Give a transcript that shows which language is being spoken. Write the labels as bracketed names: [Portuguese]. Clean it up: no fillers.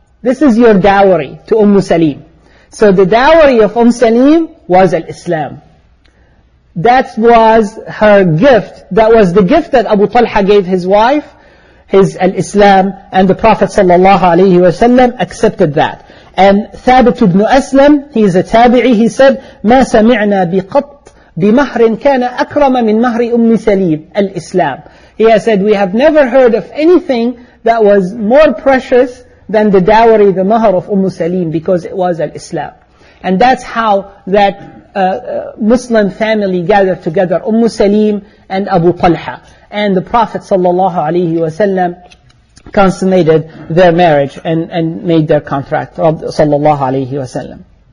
[English] This is your dowry to Umm Salim. So the dowry of Umm Salim was al-Islam. That was her gift. That was the gift that Abu Talha gave his wife, his al-Islam. And the Prophet sallallahu alaihi wasallam accepted that. And Thabit ibn Aslam, he is a tabi'i, he said, [Arabic] مَا سَمِعْنَا بِقَطْ بِمَهْرٍ كَانَ أَكْرَمَ مِنْ مَهْرِ أُمِّ سَلِيمٍ الْإِسْلَامِ. [English] He has said, we have never heard of anything that was more precious than the dowry, the mahr of Umm Salim, because it was al-Islam. And that's how that Muslim family gathered together, Umm Salim and Abu Talha. And the Prophet sallallahu alayhi wa sallam consummated their marriage and made their contract, sallallahu alaihi wasallam.